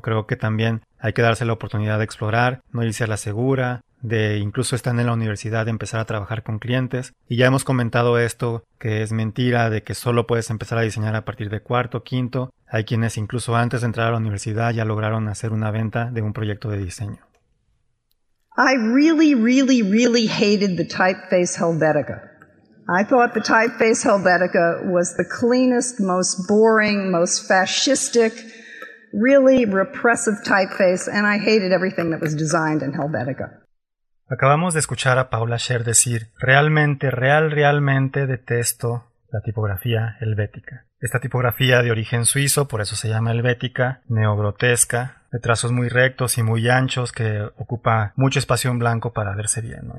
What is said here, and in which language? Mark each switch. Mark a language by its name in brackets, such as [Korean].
[Spanish] Creo que también hay que darse la oportunidad de explorar, no irse a la segura, de incluso estar en la universidad, de empezar a trabajar con clientes. Y ya hemos comentado esto, que es mentira, de que solo puedes empezar a diseñar a partir de 4, 5. Hay quienes incluso antes de entrar a la universidad ya lograron hacer una venta de un proyecto de diseño. [English] I really, really, really hated the typeface Helvetica. I thought the typeface Helvetica was the cleanest, most boring, most fascistic, really repressive typeface, and I hated everything that was designed in Helvetica. [Spanish] Acabamos de escuchar a Paula Scher decir: realmente, realmente detesto la tipografía helvética. Esta tipografía de origen suizo, por eso se llama helvética, neogrotesca, de trazos muy rectos y muy anchos, que ocupa mucho espacio en blanco para verse bien, ¿no?